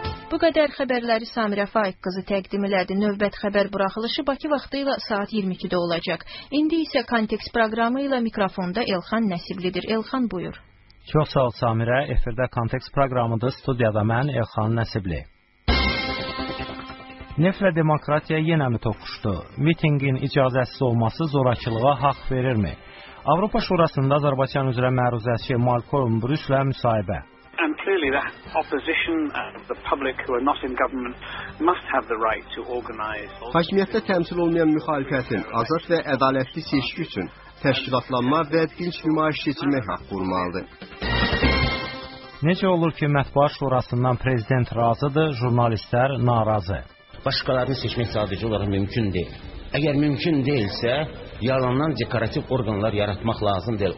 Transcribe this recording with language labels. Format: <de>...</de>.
<az>Bu qədər xəbərləri Samirə Faiq qızı təqdim elədi. Növbət xəbər buraxılışı Bakı vaxtı ilə saat 22-də olacaq. İndi isə kontekst proqramı ilə mikrofonda Elxan Nəsiblidir. Elxan, buyur. Çox sağ ol, Samirə. Efirdə kontekst proqramıdır. Studiyada mən, Elxan Nəsibli. Neflə demokratiya yenə mi toxuşdu? Mitingin icazəsiz olması zorakılığa haq verirmi? Avropa Şurasında Azərbaycan üzrə məruzəsi Malcolm Brüsselə müsahibə.</az> <en>And clearly that opposition and the public who are not in government must have the right to organize.</en> <az>Hakimiyyətdə təmsil olmayan müxalifətin azad və ədalətli seçki üçün təşkilatlanma və dinç nümayiş keçirmək haqqı olmalıdır. Necə olur ki, Mətbuat Şurasından prezident razıdır, jurnalistlər narazı? Başqalarını seçmək sadəcə olaraq mümkün deyil. Əgər mümkün deyilsə, yalandan dekorativ orqanlar yaratmaq lazım deyil.</az>